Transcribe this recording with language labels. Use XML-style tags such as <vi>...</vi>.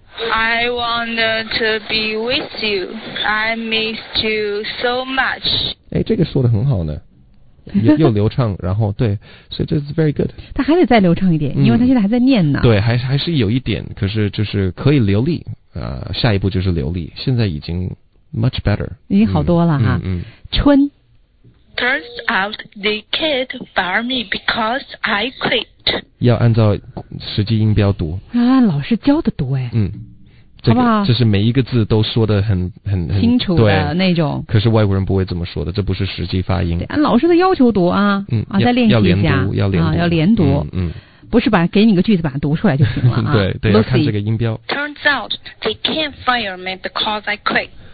<en>I wanted to be with you. I missed you so much.</en> <zh>哎，这个说的很好呢，又流畅，然后对，所以这是 very good。他还得再流畅一点，因为他现在还在念呢。对，还是有一点，可是就是可以流利，下一步就是流利，现在已经。</zh> <en>Much better，</en> <zh>已经好多了哈。春。</zh> <en>Turns out they can't fire me because I quit。</en> <zh>要按照实际音标读。啊，老师教的读哎。嗯。这个、好不好？就是每一个字都说得很清楚的那种。可是外国人不会这么说的，这不是实际发音。按老师的要求读啊。嗯。啊，再练习一下。要连读。要连读。不是把给你个句子把它读出来就行了啊。对，要看这个音标。</zh> <en>Turns out they can't fire me because I quit。</en>